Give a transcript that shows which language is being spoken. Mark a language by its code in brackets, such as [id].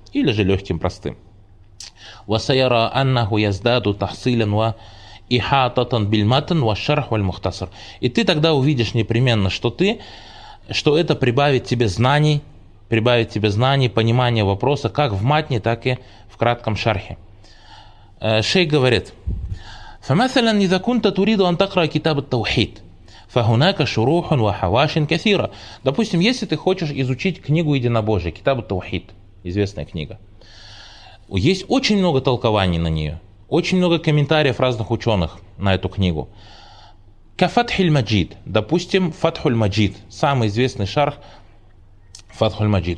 [ru] Или же легким, простым. [ar] وَسَيَرَا أَنَّهُ يَزْدَادُ تَحْصِيلًا وَإِحَاطَةً بِالْمَتَنْ وَالشَّرْحُ وَالْمُخْتَصَرُ. [ru] И ты тогда увидишь непременно, что ты, что это прибавит тебе знаний, понимания вопроса, как в матне, так и в кратком шархе. Шейх говорит, [ar] فَمَثَلًا إِذَا كُنْتَ تُرِيدُ أَنْ تَقْرَأَ كِتَابَ التَّوْحِيدِ فَهُنَاكَ شُرُوحٌ وَحَوَاشٍ كَثِيرًا. [ru] Допустим, если ты хочешь изучить книгу Единобожия, Китаб ат-Таухид, известная книга. Есть очень много толкований на нее, очень много комментариев разных ученых на эту книгу. Кафатхиль-Маджид, допустим, Фатхуль-Маджид, самый известный шарх Фатхуль-Маджид.